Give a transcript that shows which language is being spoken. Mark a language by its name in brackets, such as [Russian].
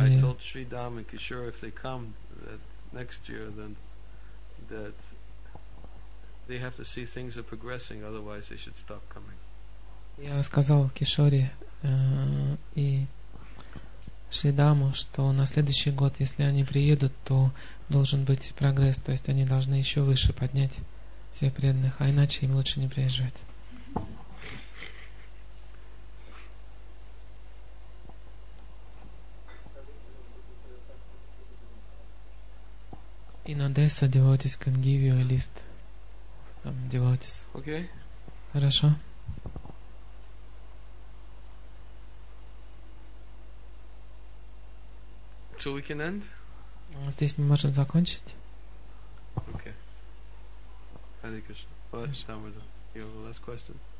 [English] I told Sri Dham and Kishore if they come that next year, then that they have to see things are progressing, otherwise they should stop coming. [Russian] Я сказал Кишоре и Шри Даму, что на следующий год, если они приедут, то должен быть прогресс, то есть они должны еще выше поднять всех преданных, а иначе им лучше не приезжать. [English] In Odessa, devotees can give you a list. Some devotees. Okay. [Russian] Хорошо. [English] So we can end? [Russian] Здесь мы можем закончить. [English] Okay. Hare Krishna. What time is it? You have a last question?